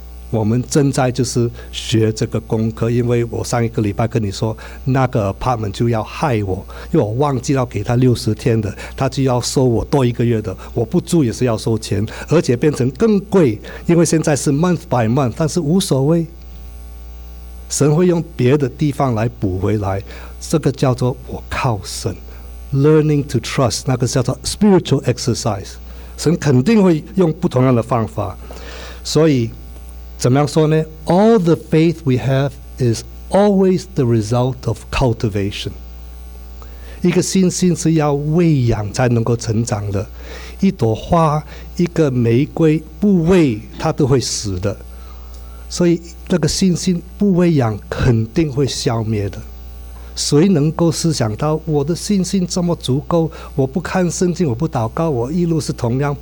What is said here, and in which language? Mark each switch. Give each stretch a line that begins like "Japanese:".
Chinese: 我们正在就是学这个功课，因为我上一个礼拜跟你说那个 apartment 就要害我，因为我忘记要给他60天的，他就要收我多一个月的，我不住也是要收钱，而且变成更贵，因为现在是
English: month by month，
Chinese: 但是无所谓，神会用别的地方来补回来。这个叫做我靠神，
English: Learning to trust，
Chinese: 那个叫做
English: spiritual exercise。
Chinese: 神肯定会用不同样的方法。所以怎么样说呢？
English: All the faith we have is always the result of cultivation。
Chinese: 一个信心是要喂养才能够成长的。一朵花，一个玫瑰，不喂它都会死的。所以那个信心不喂养肯定会消灭的。谁能够思想到我的信心这么足够，我不看圣经，我不祷告，我一路是同样？